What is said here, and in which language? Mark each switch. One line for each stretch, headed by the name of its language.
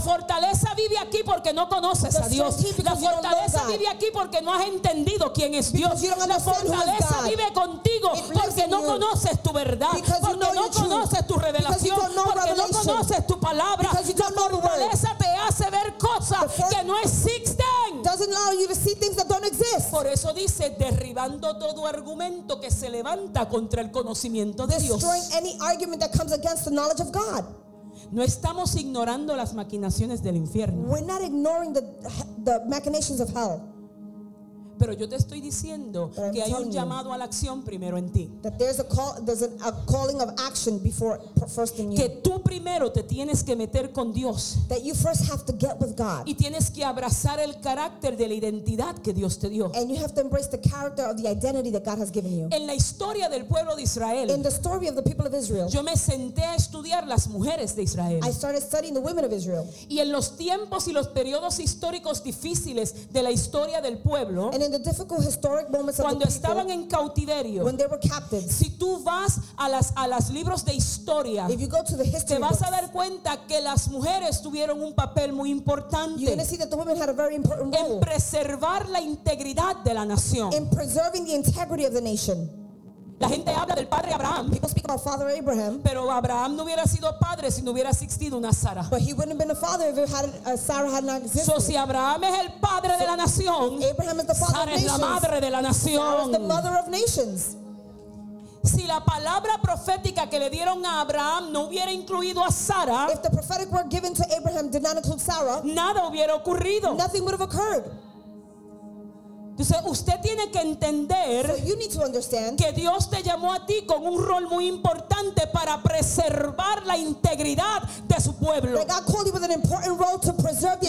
Spanish: La fortaleza vive aquí porque no conoces a Dios. La fortaleza vive aquí porque no has entendido quién es Dios. La fortaleza vive contigo porque no conoces tu verdad, porque no conoces tu revelación, porque no conoces tu palabra. La fortaleza te hace ver cosas que no existen.
English: Doesn't allow you to see things that don't exist.
Spanish: Por eso dice derribando todo argumento que se levanta contra el conocimiento de Dios.
English: Destroying any argument that comes against the knowledge of God.
Spanish: No estamos ignorando las maquinaciones del infierno.
English: We're not ignoring the machinations of hell.
Spanish: Pero yo te estoy diciendo que hay un llamado a la acción primero en ti.
English: That there's a call, there's a calling of action before first in you.
Spanish: Que tú primero te tienes que meter con Dios.
English: That you first have to get with God.
Spanish: Y tienes que abrazar el carácter de la identidad que Dios te dio.
English: And you have to embrace the character of the identity that God has given you.
Spanish: En la historia del pueblo de Israel.
English: In the story of the people of Israel.
Spanish: Yo me senté a estudiar las mujeres de Israel.
English: I started studying the women of Israel.
Spanish: Y en los tiempos y los periodos históricos difíciles de la historia del pueblo.
English: In the difficult historic moments
Spanish: cuando
English: of the people,
Spanish: estaban en cautiverio,
English: when they were captives,
Spanish: si tú vas a las libros de historia,
English: if you go to the history
Spanish: te vas
English: books,
Spanish: a dar cuenta que las mujeres tuvieron un papel muy importante,
English: you're going to see that the women had a very important role
Spanish: en preservar la integridad de la nación,
English: in preserving the integrity of the nation.
Spanish: La gente habla del padre Abraham.
English: People speak about Father Abraham.
Spanish: Pero Abraham no hubiera sido padre si no hubiera existido una Sara.
English: But he wouldn't have been a father if Sarah had not existed.
Spanish: So si Abraham es el padre de la nación,
English: Abraham is the father of nations.
Spanish: Es la madre de la nación.
English: Sarah is the mother of nations.
Spanish: Si la palabra profética que le dieron a Abraham no hubiera incluido a Sara,
English: if the prophetic word given to Abraham did not include Sarah,
Spanish: nada hubiera ocurrido.
English: Nothing would have occurred.
Spanish: Entonces usted tiene que entender que Dios te llamó a ti con un rol muy importante para preservar la integridad de su pueblo.
English: That God called you with an important role to preserve the